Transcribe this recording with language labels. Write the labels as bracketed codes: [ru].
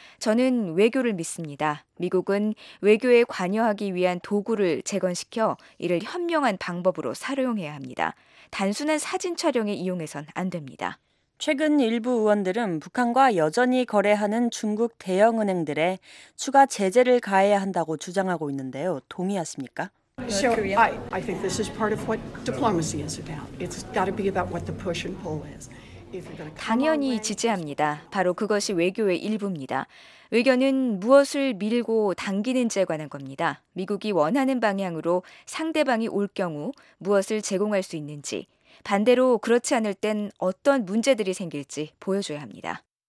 [ko] 저는 외교를 믿습니다. 미국은 외교에 관여하기 위한 도구를 재건시켜 이를 현명한 방법으로 사용해야 합니다. 단순한 사진 촬영에 이용해선 안 됩니다. 최근 일부 의원들은 북한과 여전히 거래하는 중국 대형은행들에 추가 제재를 가해야 한다고 주장하고 있는데요. 동의하십니까? [en] I think this is part of what diplomacy is about. It's got to be about what the push and pull is. [ko] 당연히 지지합니다. 바로 그것이 외교의 일부입니다. 외교는 무엇을 밀고 당기는지에 관한 겁니다. 미국이 원하는 방향으로 상대방이 올 경우 무엇을 제공할 수 있는지, 반대로 그렇지 않을 땐 어떤 문제들이 생길지 보여줘야 합니다.